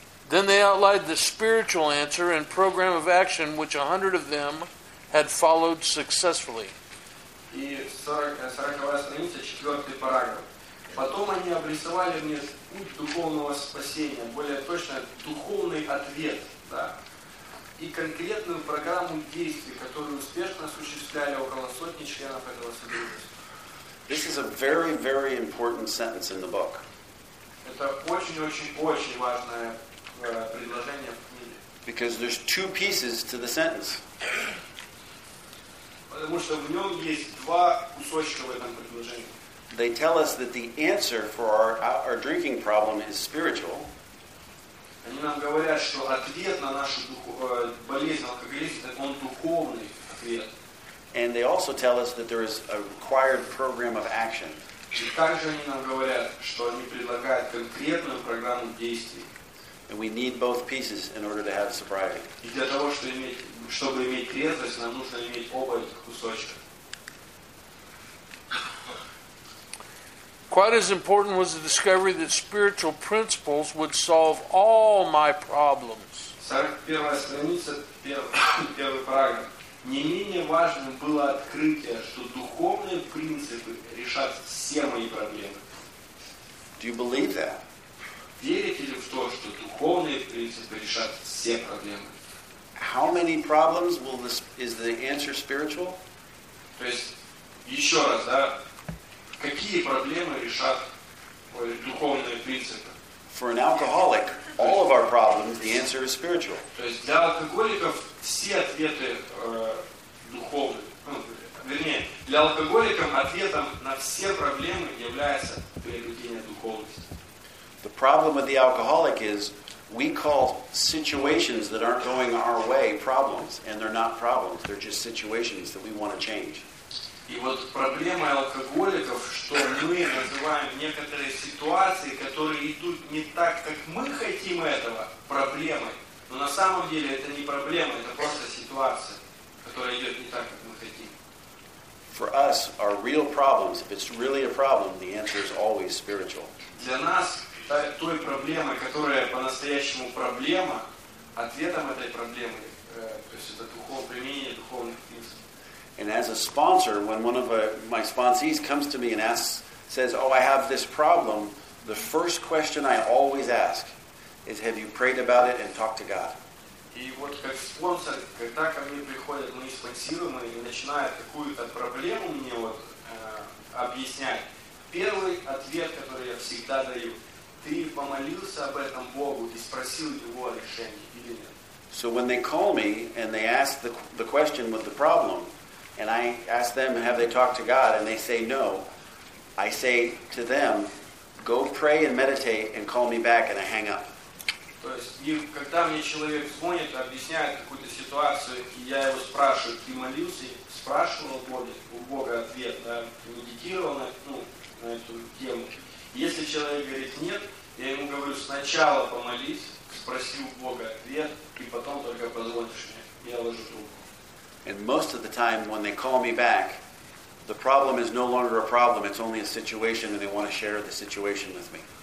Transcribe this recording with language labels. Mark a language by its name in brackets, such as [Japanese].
[English] Then they outlined the spiritual answer and program of action which 100 of them had followed successfully. [Russian] И 40-я страница, 4-й параграф. Потом они обрисовали мне путь духовного спасения, более точно духовный ответ, да, и конкретную программу действий, которую успешно осуществляли около сотни членов этого содружества. [English] This is a very, very important sentence in the book. [Russian] Это очень-очень-очень важное предложение в книге. [English] Because there's two pieces to the sentence. [Russian] Потому что в нем есть два кусочка в этом предложении. [English] They tell us that the answer for our drinking problem is spiritual. [Russian] Они нам говорят, что ответ на нашу болезнь, алкоголизм, это он духовный ответ. [English] And they also tell us that there is a required program of action. [Russian] И также они нам говорят, что они предлагают конкретную программу действий. [English] And we need both pieces in order to have sobriety. [Russian] И для того, чтобы иметь трезвость, нам нужно иметь оба этих кусочка. [English] Quite as important was the discovery that spiritual principles would solve all my problems. [Russian] 41-я страница, 1-й параграф. Не менее важным было открытие, что духовные принципы решат все мои проблемы. [English] Do you believe that? [Russian] Верите ли в то, что духовные принципы решат все проблемы? [English] How many problems is the answer spiritual? [Russian] То есть, еще раз, да, какие проблемы решат [English] For an alcoholic, all of our problems, the answer is spiritual. The problem with the alcoholic is we call situations that aren't going our way problems, and they're not problems, they're just situations that we want to change. [Russian] И вот проблема алкоголиков, что мы называем некоторые ситуации, которые идут не так, как мы хотим этого, проблемой. Но на самом деле это не проблема, это просто ситуация, которая идет не так, как мы хотим. [English] For us, our real problems, if it's really a problem, the answer is always spiritual. [Russian] Для нас, той проблемой, которая по-настоящему проблема, ответом этой проблемы, то есть это духовное применение духовных принципов. [English] And as a sponsor, when one of my sponsees comes to me and asks, says, oh, I have this problem, the first question I always ask is, have you prayed about it and talked to God? [Russian] И вот как спонсор, когда ко мне приходят мои спонсируемые и начинают какую-то проблему мне вот объяснять, первый ответ, который я всегда даю, ты помолился об этом Богу и спросил его о решении или нет? [English] So when they call me and they ask the question with the problem, and I ask them, have they talked to God? And they say no. I say to them, go pray and meditate and call me back, and I hang up. [Russian] То есть, и когда мне человек звонит, объясняет какую-то ситуацию, и я его спрашиваю, ты молился, спрашивал у Бога ответ, да, медитировал на эту тему. Если человек говорит нет, я ему говорю, сначала помолись, спроси у Бога ответ, и потом только позвонишь мне. Я ложу трубку. [English] And most of the time, when they call me back, the problem is no longer a problem. It's only a situation, and they want to share the situation with me.